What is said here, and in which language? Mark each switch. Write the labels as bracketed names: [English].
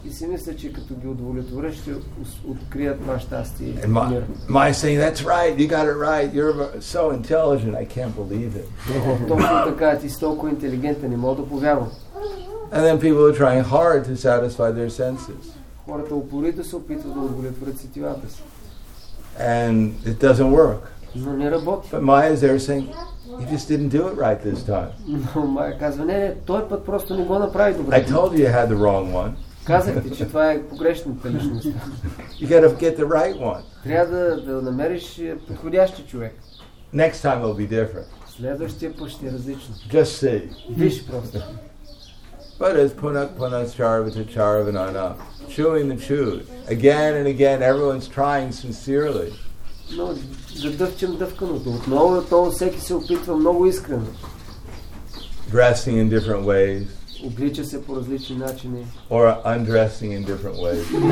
[Bulgarian] И си мисля, че като ги удовлетворя, ще открият това щастие. [English] And my saying, that's right, you got it right, you're so intelligent, I can't believe it. [Bulgarian] Точно така, ти си толкова интелигентен, не мога да повярвам. [English] And then people are trying hard to satisfy their senses. [Bulgarian] Хората упорито се опитват да удовлетворят сетивата си. [English] And it doesn't work. [Bulgarian] Но не работи. [English] But Maya is there saying, "You just didn't do it right this time." [Bulgarian] Но Майя казва, не, той път просто не го направи добре. [English] I told you you had the wrong one. [Bulgarian] Казах ти, че това е погрешната личност. [English] You gotta get the right one. [Bulgarian] Трябва да намериш подходящия човек. [English] Next time will be different. [Bulgarian] Следващия път ще е различно. [English] Just see. [Bulgarian] Виж просто. [English] But as [Sanskrit] punak punas charvita charvanana, [English] chewing the chew, again and again, everyone's trying sincerely. No, the dvchim dvkanoto. [Bulgarian] Отново и отново всеки се опитва много искрено. [English] Dressing in different ways. [Bulgarian] Облича се по различни начини. [English] Or undressing in different ways.